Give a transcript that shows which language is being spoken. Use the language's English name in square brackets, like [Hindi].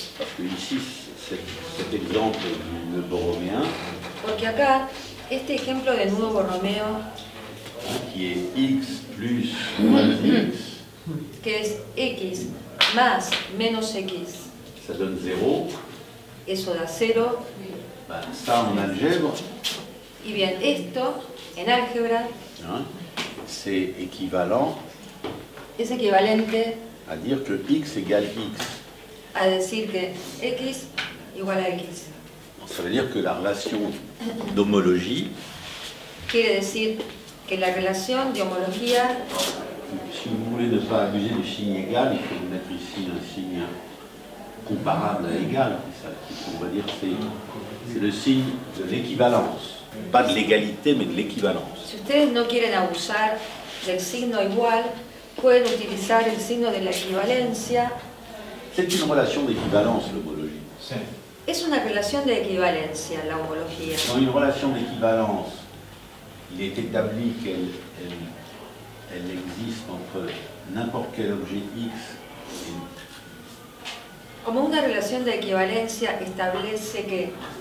[French] Parce que ici, cet exemple du nœud borroméen. [Spanish] Porque acá, este ejemplo de nudo borromeo. [French] Qui est x plus moins x. [Spanish] Que es x más menos x. [French] Ça donne 0. [Spanish] Eso da 0. [French] Ben, ça en algèbre. [Spanish] Y bien, esto en álgebra. [French] Hein? C'est équivalent. [Spanish] Es equivalente. [French] À dire que x égale x. [Spanish] A decir que x igual a x. [French] Ça veut dire que la relation d'homologie. [Spanish] Quiere decir que la relación de homología. [French] Si vous voulez ne pas abuser du signe égal, il faut mettre ici un signe comparable à égal. On va dire c'est le signe de l'équivalence. Pas de l'égalité, mais de l'équivalence. [Spanish] Si ustedes no quieren abusar del signo igual, pueden utilizar el signo de la equivalencia. [French] C'est une relation d'équivalence, l'homologie. [Spanish] Es una relación de equivalencia, la homología. [French] Dans une relation d'équivalence, il est établi qu'elle existe entre n'importe quel objet X et... [Spanish] Como una relación de equivalencia establece que...